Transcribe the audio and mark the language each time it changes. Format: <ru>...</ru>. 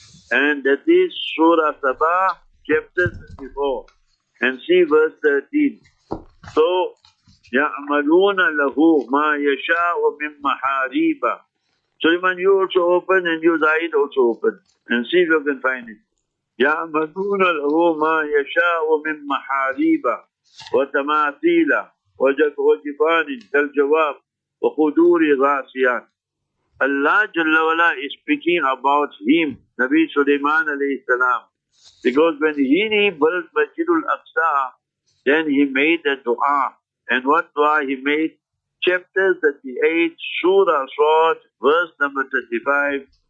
<en>And that is Surah Sabah, chapter 34. And see verse 13. So,</en> <ar>يَعْمَلُونَ لَهُ مَا يَشَاءُ مِنْ مَحَارِيبًا.</ar> <en>Suleiman, you also open and you Zaid also open. And see if you can find it.</en> <ar>يعملون له ما يشاء من محاريب وتماثيل وجفان كالجواب وقدور غاسيات.</ar> <en>Allah Jalla Wala is speaking about him, Nabi Sulaiman alayhi salam. Because when he built Masjid al-Aqsa, then he made a dua. And what dua he made? Chapter 38, Surah Sad, verse number 35.</en>